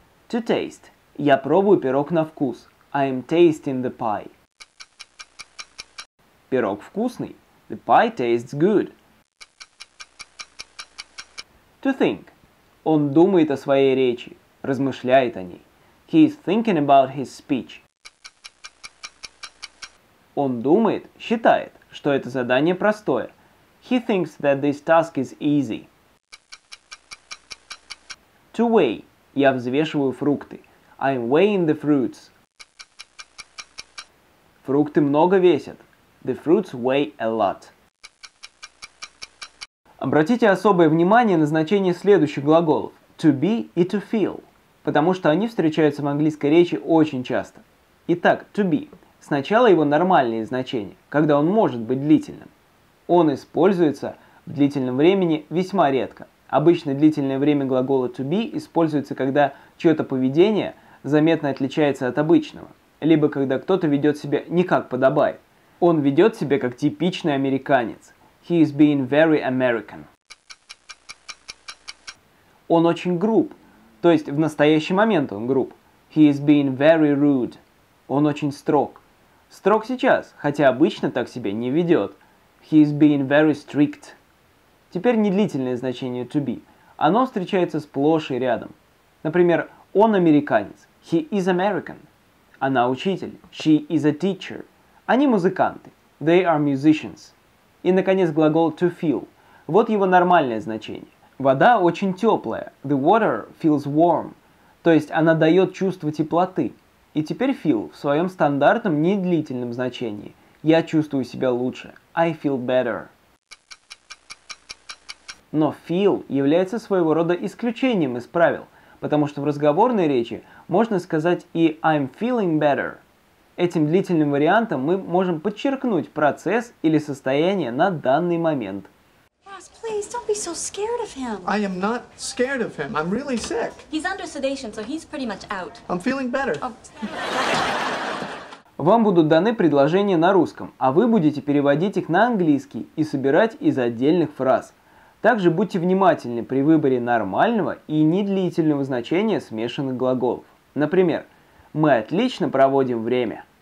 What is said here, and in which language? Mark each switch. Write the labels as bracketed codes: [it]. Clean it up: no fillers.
[en] To taste. [ru] Я пробую пирог на вкус. [en] I'm tasting the pie. [ru] Пирог вкусный. [en] The pie tastes good. To think. [ru] Он думает о своей речи. Размышляет о ней. [en] He is thinking about his speech. [ru] Он думает, считает, что это задание простое. [en] He thinks that this task is easy. To weigh. [ru] Я взвешиваю фрукты. [en] I'm weighing the fruits. [ru] Фрукты много весят. [en] The fruits weigh a lot. [ru] Обратите особое внимание на значение следующих глаголов. [en] To be и to feel. [ru] Потому что они встречаются в английской речи очень часто. Итак, to be. Сначала его нормальные значения, когда он может быть длительным. Он используется в длительном времени весьма редко. Обычно длительное время глагола to be используется, когда чье-то поведение заметно отличается от обычного, либо когда кто-то ведет себя не как подобает. Он ведет себя как типичный американец. [en] He is being very American. [ru] Он очень груб, то есть в настоящий момент он груб. [en] He is being very rude. [ru] Он очень строг. Строг сейчас, хотя обычно так себя не ведет. [en] He is being very strict. [ru] Теперь недлительное значение to be. Оно встречается сплошь и рядом. Например, он американец. [en] He is American. [ru] Она учитель. [en] She is a teacher. [ru] Они музыканты. [en] They are musicians. [ru] И, наконец, глагол to feel. Вот его нормальное значение. Вода очень теплая. [en] The water feels warm. [ru] То есть она дает чувство теплоты. И теперь feel в своем стандартном недлительном значении. Я чувствую себя лучше. [en] I feel better. [ru] Но feel является своего рода исключением из правил, потому что в разговорной речи можно сказать и [en] I'm feeling better. [ru] Этим длительным вариантом мы можем подчеркнуть процесс или состояние на данный момент. [en] Wow, Ross, please, don't be so scared of him. I am not scared of him. I'm really sick. He's under sedation, so he's pretty much out. I'm feeling better. [ru] Вам будут даны предложения на русском, а вы будете переводить их на английский и собирать из отдельных фраз. Также будьте внимательны при выборе нормального и недлительного значения смешанных глаголов. Например, мы отлично проводим время.